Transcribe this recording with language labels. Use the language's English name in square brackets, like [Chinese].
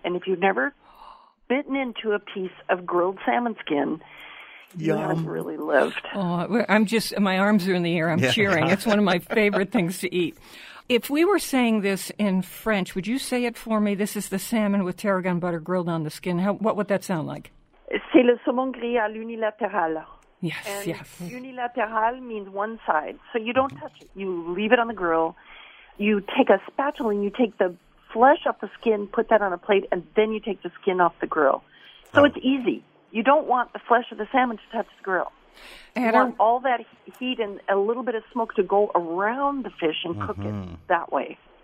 [English] And if you've never bitten into a piece of grilled salmon skin, Yum. You haven't really lived. Oh, my arms are in the air. I'm cheering. It's one of my favorite things to eat. If we were saying this in French, would you say it for me? This is the salmon with tarragon butter grilled on the skin. What would that sound like? [French] C'est le saumon gris à l'unilatéral. [English] Yes, and yes. Unilatéral means one side. So you don't touch it. You leave it on the grill. You take a spatula and you take the flesh off the skin, put that on a plate, and then you take the skin off the grill. So it's easy. You don't want the flesh of the salmon to touch the grill. And you want all that heat and a little bit of smoke to go around the fish and cook it that way.